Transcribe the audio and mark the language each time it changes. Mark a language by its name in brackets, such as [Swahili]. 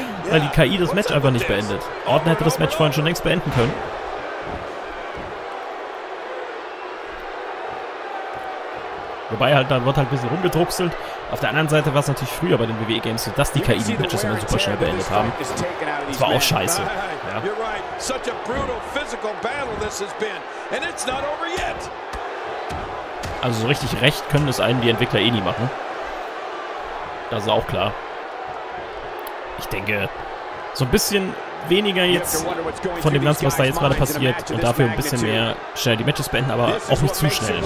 [German] Weil die KI das Match einfach nicht beendet. Orton hätte das Match vorhin schon längst beenden können. Wobei halt, da wird halt ein bisschen rumgedruckselt. Auf der anderen Seite war es natürlich früher bei den WWE Games so, dass die KI die Matches immer super schnell beendet haben. Das war auch scheiße. [English] Such a brutal physical battle this has been, and it's not over yet. [German] Also so richtig recht können es einen die Entwickler eh nie machen. Das ist auch klar. Ich denke, so ein bisschen weniger jetzt von dem Ganzen, was da jetzt gerade passiert, und dafür ein bisschen mehr schnell die Matches beenden, aber auch nicht zu schnell.